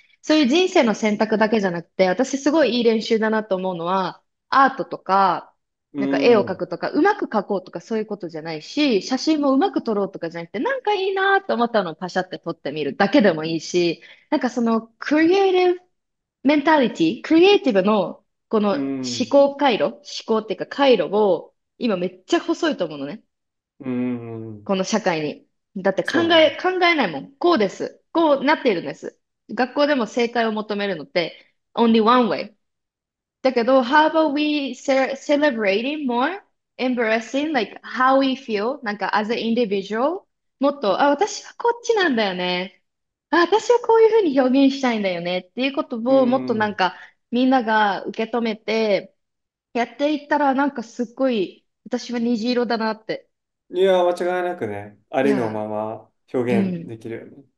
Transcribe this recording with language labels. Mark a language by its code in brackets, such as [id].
[ja] そういう人生の選択だけじゃなくて、私すごいいい練習だなと思うのは、アートとか、なんか絵を描くとか、うまく描こうとかそういうことじゃないし、写真もうまく撮ろうとかじゃなくて、なんかいいなと思ったのをパシャって撮ってみるだけでもいいし、なんかそのクリエイティブ、メンタリティ、クリエイティブのこの思考回路、思考っていうか回路を今めっちゃ細いと思うのね。この社会に。だってそうね。考えないもん。こうです。こうなっているんです。学校でも正解を求めるのって [en] only one way。 [ja] だけど、 [en] how about we celebrating more, embracing like how we feel, [ja] なんか [en] as an individual? [ja] もっと、あ、私はこっちなんだよね。私はこういうふうに表現したいんだよねっていうことをもっとなんかみんなが受け止めてやっていったらなんかすっごい私は虹色だなって。いや、間違いなくね、ありのまま表現できる